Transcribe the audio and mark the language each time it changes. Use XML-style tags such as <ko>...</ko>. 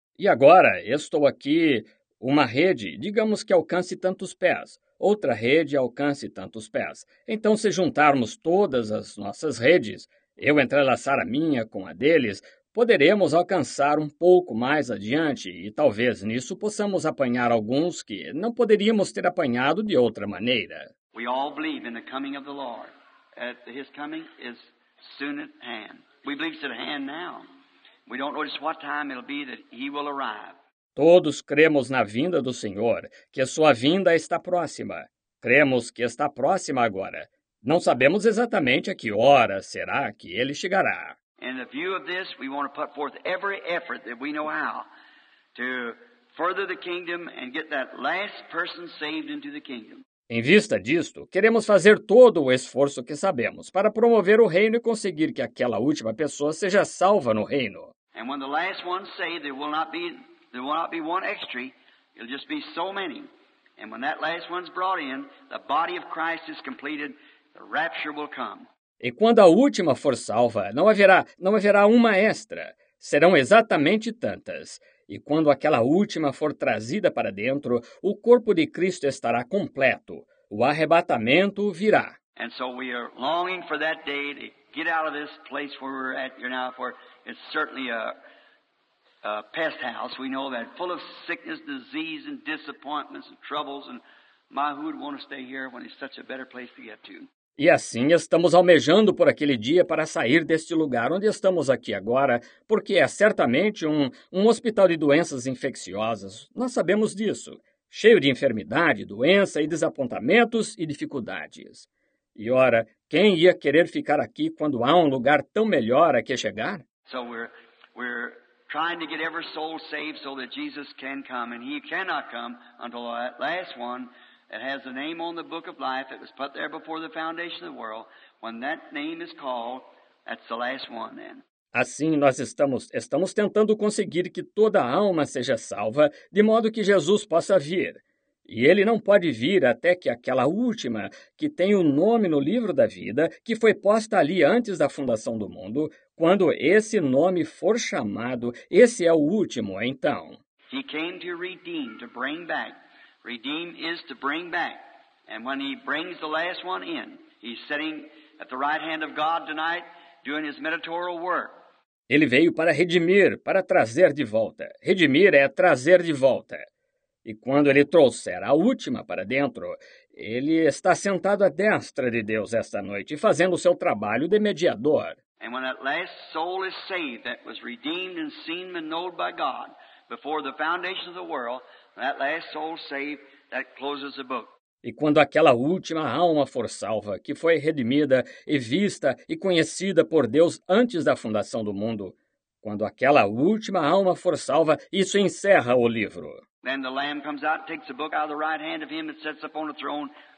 <pt>E agora, estou aqui, uma rede, digamos que alcance tantos pés, outra rede alcance tantos pés. Então, se juntarmos todas as nossas redes, eu entrelaçar a minha com a deles, poderemos alcançar um pouco mais adiante e talvez nisso possamos apanhar alguns que não poderíamos ter apanhado de outra maneira.</pt> <en>We all believe in the coming of the Lord. His coming is soon at hand. We believe it's at hand now. We don't know just what time it'll be that he will arrive.</en> <pt>Todos cremos na vinda do Senhor, que a sua vinda está próxima. Cremos que está próxima agora. Não sabemos exatamente a que hora será que ele chegará.</pt> <en>In the view of this, we want to put forth every effort that we know how to further the kingdom and get that last person saved into the kingdom.</en> <pt>Em vista disto, queremos fazer todo o esforço que sabemos para promover o reino e conseguir que aquela última pessoa seja salva no reino.</pt> <en>And when the last one say there will not be one extra, it'll just be so many. And when that last one's brought in, the body of Christ is completed, the rapture will come.</en> <pt>E quando a última for salva, não haverá uma extra. Serão exatamente tantas. E quando aquela última for trazida para dentro, o corpo de Cristo estará completo. O arrebatamento virá.</pt> <en>And so we are longing for that day to get out of this place where we're at here now, for it's certainly a pest house. We know that, full of sickness, disease, and disappointments, and troubles, and my, who would want to stay here when it's such a better place to get to?</en> <pt>E assim estamos almejando por aquele dia para sair deste lugar onde estamos aqui agora, porque é certamente um hospital de doenças infecciosas. Nós sabemos disso. Cheio de enfermidade, doença e desapontamentos e dificuldades. E ora, quem ia querer ficar aqui quando há um lugar tão melhor a que chegar?</pt> <en>So we're trying to get every soul saved so that Jesus can come, and he cannot come until that last one. It has a name on the book of life. It was put there before the foundation of the world. When that name is called, that's the last one then.</en> <pt>Assim, nós estamos tentando conseguir que toda a alma seja salva, de modo que Jesus possa vir. E ele não pode vir até que aquela última, que tem o nome no livro da vida, que foi posta ali antes da fundação do mundo, quando esse nome for chamado, esse é o último, então.</pt> <en>He came to redeem, to bring back. Redeem is to bring back. And when he brings the last one in, he's sitting at the right hand of God tonight doing his mediatorial work.</en> <pt>Ele veio para redimir, para trazer de volta. Redimir é trazer de volta. E quando ele trouxer a última para dentro, ele está sentado à destra de Deus esta noite, fazendo o seu trabalho de mediador.</pt> <en>And when that last soul is saved, that was redeemed and seen and known by God before the foundation of the world, that last soul saved, that closes the book.</en> <pt>E quando aquela última alma for salva, que foi redimida e vista e conhecida por Deus antes da fundação do mundo, quando aquela última alma for salva, isso encerra o livro.</pt> <en>Then the Lamb comes out and takes the book out of the right hand of him that sits upon the throne.</en>